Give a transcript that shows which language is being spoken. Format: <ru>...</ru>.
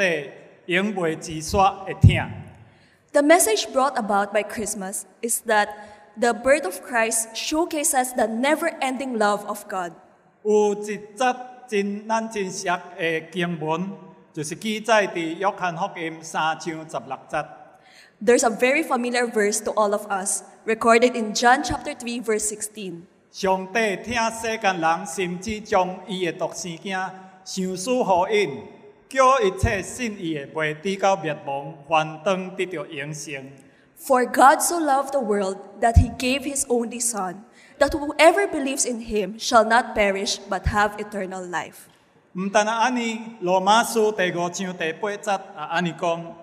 <nan>圣诞带来的信息就是耶稣基督降世，彰显了上帝永未止息的疼。</nan> <en>The message brought about by Christmas is that the birth of Christ showcases the never-ending love of God. There's a very familiar verse to all of us, recorded in John chapter 3, verse 16. For God so loved the world that he gave his only Son, that whoever believes in him shall not perish but have eternal life.</en> <nan>不但如此，罗马书第五章第八节也这样说。</nan>